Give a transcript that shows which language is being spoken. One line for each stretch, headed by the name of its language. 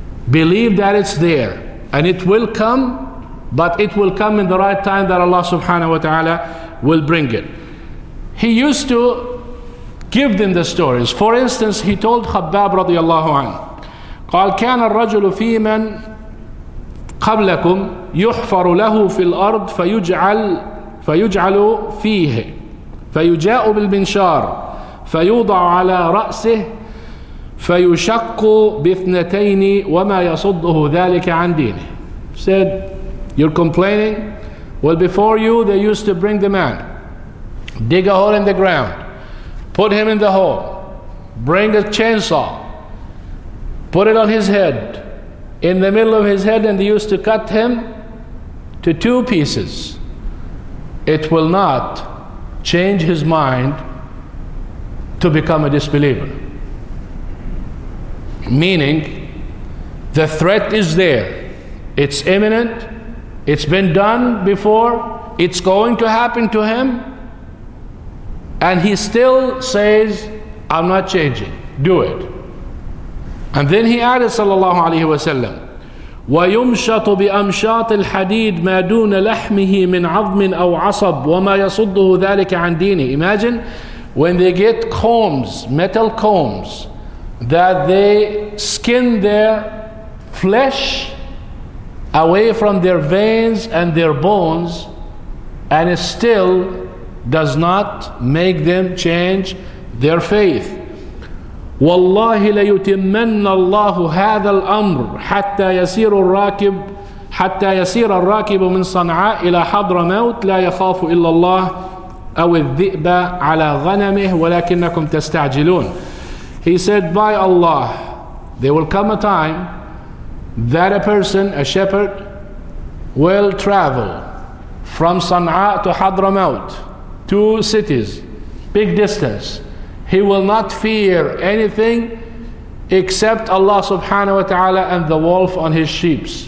English: Believe that it's there. And it will come. But it will come in the right time that Allah subhanahu wa ta'ala will bring it. He used to give them the stories. For instance, he told Khabbab radiallahu anhu,
Arabic: قال كان الرجل في من قبلكم يحفر له في الأرض فيجعل فيه فيجاء بالمنشار فيوضع على رأسه فيشق باثنتين وما يصده ذلك عن دينه.
English: Said, you're complaining? Well, before you, they used to bring the man, dig a hole in the ground, put him in the hole, bring a chainsaw, put it on his head, in the middle of his head, and they used to cut him to two pieces. It will not change his mind to become a disbeliever. Meaning, the threat is there. It's imminent. It's been done before. It's going to happen to him. And he still says, I'm not changing. Do it. And then he added,
Arabic: sallallahu alayhi wa sallam, وَيُمْشَطُ بِأَمْشَاطِ الْحَدِيدِ مَا دُونَ لَحْمِهِ مِنْ عَظْمٍ أَوْ عَصَبٍ وَمَا يَصُدُّهُ ذَلِكَ عَنْ دِينِهِ.
English: Imagine when they get combs, metal combs, that they skin their flesh away from their veins and their bones, and it still does not make them change their faith.
Arabic: والله ليتمن الله هذا الأمر حتى يسير الراكب حتى يسير الراكب من صنعاء إلى حضر موت لا يخاف إلا الله أو الذئب على غنمه ولكنكم تستعجلون.
English: He said, by Allah, there will come a time that a person, a shepherd, will travel from Sana'a to Hadramaut, two cities, big distance. He will not fear anything except Allah subhanahu wa ta'ala and the wolf on his sheep.